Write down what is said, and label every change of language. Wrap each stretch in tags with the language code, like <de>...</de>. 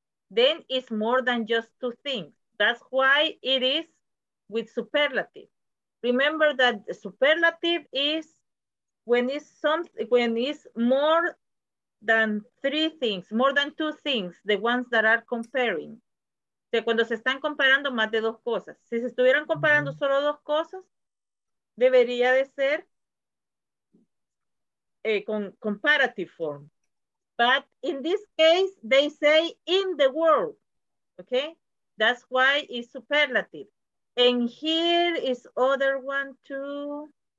<en>Then it's more than just two things. That's why it is with superlative. Remember that the superlative is when it's something, when it's more than three things, more than two things, the ones that are comparing.</en> <es>O sea, cuando se están comparando más de dos cosas. Si se estuvieran comparando solo dos cosas, debería de ser con comparative form.</es> <en>But in this case, they say in the world, okay? That's why it's superlative. And here is other one too.</en>